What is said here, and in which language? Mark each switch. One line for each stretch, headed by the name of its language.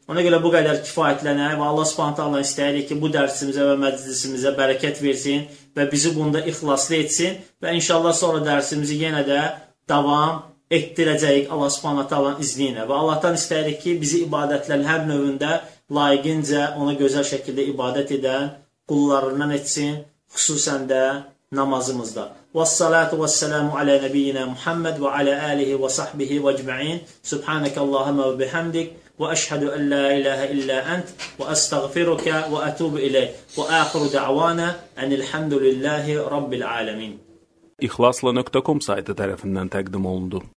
Azerbaijani: Ona görə bu qədər kifayətlənək və Allah spontanla istəyirik ki, bu dərsimizə və məclisimizə bərəkət versin və bizi bunda ixlaslı etsin və inşallah sonra dərsimizi yenə də davam etdirəcəyik Allah spontanla izniyinə və Allahdan istəyirik ki, bizi ibadətlərin hər növündə layiqincə ona gözəl şəkildə ibadət edən qullarından etsin, xüsusən də namazımızda.
Arabic: Vəssalatu vəssalamu alə nəbiyyinə Muhammed və alə alihi və sahbihi və cəmiin. Subhanək Allahümma və bihamdik. وأشهد أن لا إله إلا أنت وأستغفرك وأتوب إليك وآخر دعوانا أن الحمد لله رب العالمين.
Azerbaijani: إخلاص.com سايتı tərəfindən təqdim olundu.